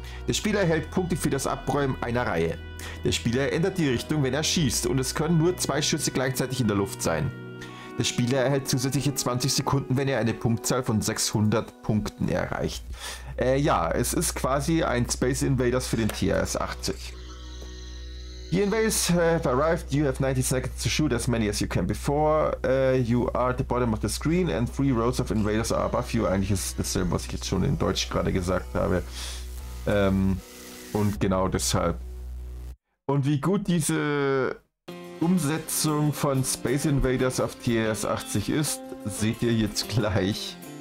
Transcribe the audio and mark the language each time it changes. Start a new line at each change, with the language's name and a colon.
German: Der Spieler erhält Punkte für das Abräumen einer Reihe. Der Spieler ändert die Richtung, wenn er schießt, und es können nur zwei Schüsse gleichzeitig in der Luft sein. Der Spieler erhält zusätzliche 20 Sekunden, wenn er eine Punktzahl von 600 Punkten erreicht. Ja, es ist quasi ein Space Invaders für den TRS-80.
English: The invaders have arrived. You have 90 seconds to shoot as many as you can before you are at the bottom of the screen and three rows of invaders are above you.
German: Eigentlich ist dasselbe, was ich jetzt schon in Deutsch gerade gesagt habe. Und genau deshalb. Und wie gut diese Umsetzung von Space Invaders auf TRS-80 ist, seht ihr jetzt gleich.